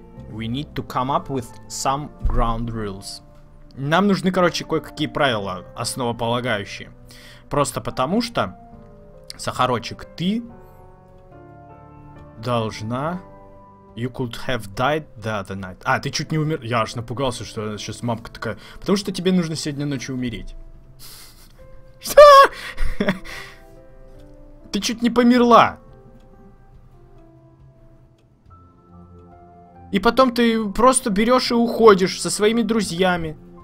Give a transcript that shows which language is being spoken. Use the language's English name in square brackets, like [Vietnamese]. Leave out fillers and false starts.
[English] We need to come up with some ground rules. [Russian] Нам нужны, короче, кое-какие правила основополагающие. Просто потому что, сахарочек, ты должна... [English] You could have died the other night. [Russian] А, ты чуть не умер... Я аж напугался, что сейчас мамка такая... Потому что тебе нужно сегодня ночью умереть. Что? Ты чуть не померла. И потом ты просто берешь и уходишь со своими друзьями.